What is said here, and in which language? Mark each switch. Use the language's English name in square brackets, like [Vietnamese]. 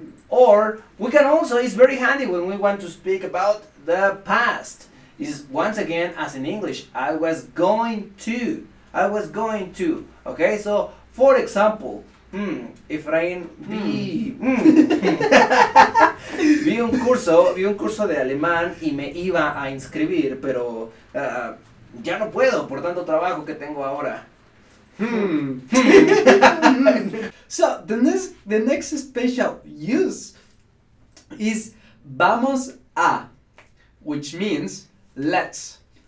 [English] Or, we can also, it's very handy when we want to speak about the past. It's once again, as in English, I was going to. I was going to. Okay, so, for example. [Spanish] Efraín, vi un curso de alemán y me iba a inscribir, pero ya no puedo por tanto trabajo que tengo ahora. [English] So, the next special use is vamos a, which means let's.